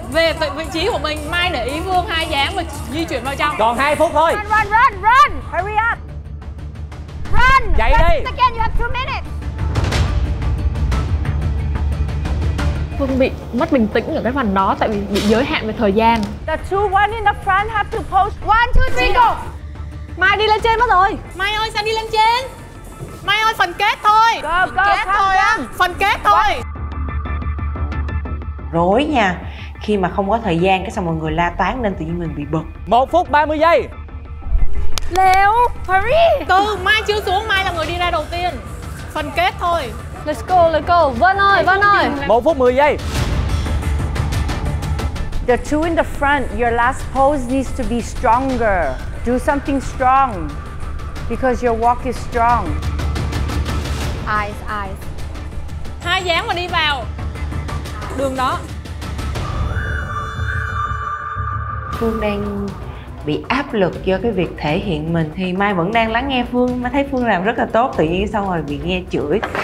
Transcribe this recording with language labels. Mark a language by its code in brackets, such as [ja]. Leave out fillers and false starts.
[vi] Về vị trí của mình, Mai để ý Vương hai dáng và di chuyển vào trong. Còn 2 phút thôi. [en] Run. Hurry up. Run. [vi] Chạy đi. [en] Again, you have 2 minutes. [vi] Phương bị mất bình tĩnh ở cái phần đó tại vì bị giới hạn về thời gian. [en] The two one in the front have to post. 1, 2, 3, go. [vi] Mai đi lên trên mất rồi. Mai ơi, sao đi lên trên? Mai ơi, phần kết thôi. Phần kết thôi. Rối nha. Khi mà không có thời gian cái xong mọi người la toán nên tự nhiên mình bị bực. 1 phút 30 giây. [en] Leo, hurry. [vi] Từ Mai chưa xuống, Mai là người đi ra đầu tiên. Phần kết thôi. [en] Let's go. Vân ơi. [vi] 1 phút 10 giây. [en] The two in the front, your last pose needs to be stronger. Do something strong, because your walk is strong. Eyes, eyes. [vi] Hai dáng mà đi vào đường đó. Phương đang bị áp lực do cái việc thể hiện mình. Thì Mai vẫn đang lắng nghe Phương, mà thấy Phương làm rất là tốt. Tự nhiên xong rồi bị nghe chửi.